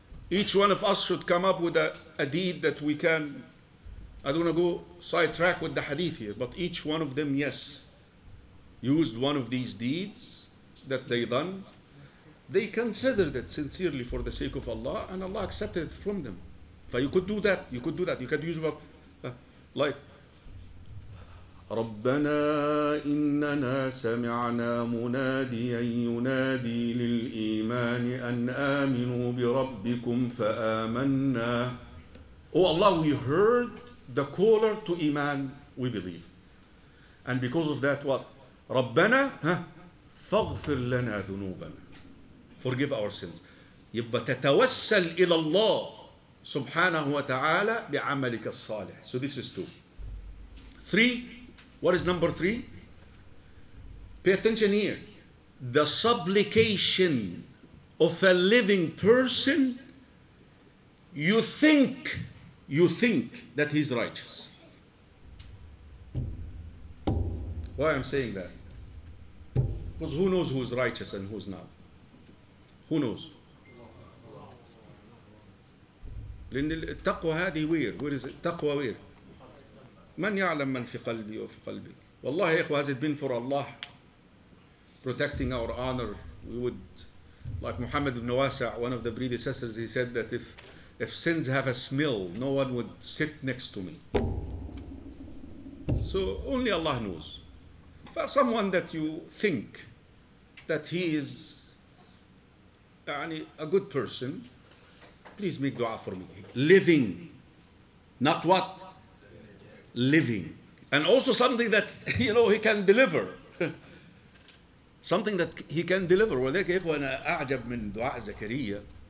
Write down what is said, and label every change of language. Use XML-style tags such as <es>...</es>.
<en>Each one of us should come up with a deed that we can. I don't want to go sidetrack with the hadith here, but each one of them, yes, used one of these deeds that they done. They considered it sincerely for the sake of Allah, and Allah accepted it from them. So you could do that. You could do that. You could use what, like,</en> <ar>ربنا إننا سمعنا مناديا ينادي للإيمان أن آمنوا بربكم فآمنا.</ar> <en>Oh Allah, we heard the caller to Iman, we believe. And because of that, what?</en> <ar>ربنا فاغفر لنا ذنوبنا.</ar> <en>Forgive our sins.</en> <ar>يبقى تتوسل إلى الله سبحانه وتعالى بعملك الصالح.</ar> <en>So this is two. Three. What is number three? Pay attention here. The supplication of a living person, you think that he's righteous. Why I'm saying that? Because who knows who's righteous and who's not? Who knows?</en> <ar>التقوى هذه</ar> <en>Where. Where is it?</en> <ar>تقوى</ar> <en>Where.</en> <ar>من يعلم من في قلبي وفي قلبي. والله يا إخوة,</ar> <en>has it been for Allah protecting our honor, we would, like Muhammad ibn Wasa', one of the predecessors, he said that if sins have a smell, no one would sit next to me. So only Allah knows. For someone that you think that he is a good person, please make dua for me. Living, not what? Living. And also something that, you know, he can deliver. Something that he can deliver.</en> <ar>وذلك يا إخوة أنا أعجب من دعاء زكريا.</ar>